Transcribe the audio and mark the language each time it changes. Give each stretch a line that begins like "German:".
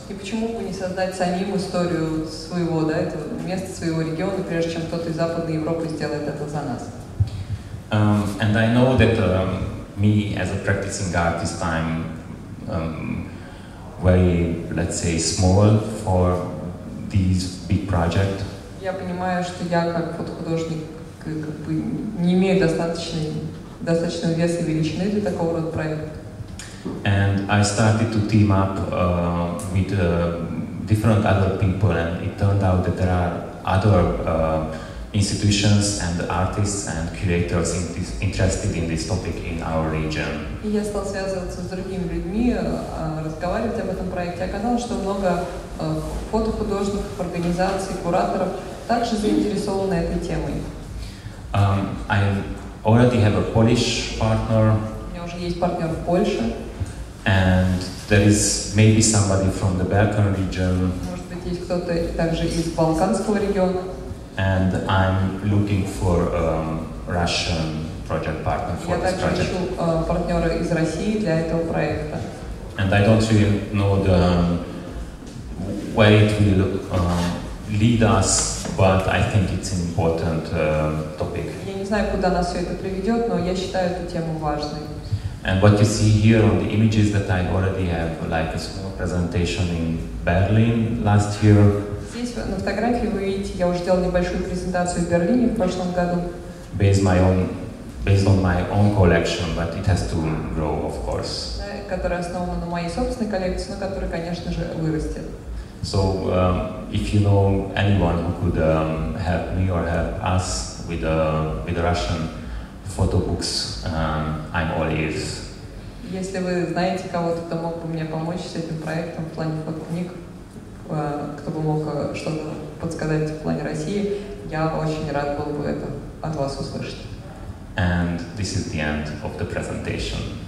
Russian: И почему бы не создать самим историю своего, да, этого места, своего региона, прежде чем кто-то из Западной Европы сделает это за нас?
English: And I know that me as a practicing artist, I'm very, let's say, small for these big project.
Russian: Я понимаю, что я как фотохудожник как бы не имею достаточного веса и величины для такого рода проекта.
English: And I started to team up with different other people, and it turned out that there are other institutions and artists and curators interested in this topic in our region.
Russian: И я стал связываться с другими людьми, разговаривать об этом проекте. Оказалось, что много фотохудожников, организаций, кураторов также заинтересованы этой темой.
English: I already have a Polish partner.
Russian: У меня уже есть партнер в Польше.
English: And there is maybe somebody from the Balkan region.
Russian: Может быть, есть кто-то также из Балканского региона.
English: And I'm looking for Russian project partner for this project.
Russian: Я также ищу партнера из России для этого проекта.
English: And I don't really know the way it will lead us, but I think it's an important topic.
Russian: Я не знаю, куда нас все это приведет, но я считаю эту тему важной.
English: And what you see here on the images that I already have, like a small presentation in Berlin last year.
Russian: Здесь на фотографии вы видите, я уже делал небольшую презентацию в Берлине в прошлом году.
English: Based on my own collection, but it has to grow, of course.
Russian: Которая основана на моей собственной коллекции, но которая, конечно же, вырастет.
English: So, if you know anyone who could help me or help us with Russian photo books, I'm all ears.
Russian: Если вы знаете кого-то, кто мог бы мне помочь с этим проектом в плане фотокниг, кто бы мог что-то подсказать в плане России, я очень рад был бы это от вас услышать.
English: And this is the end of the presentation.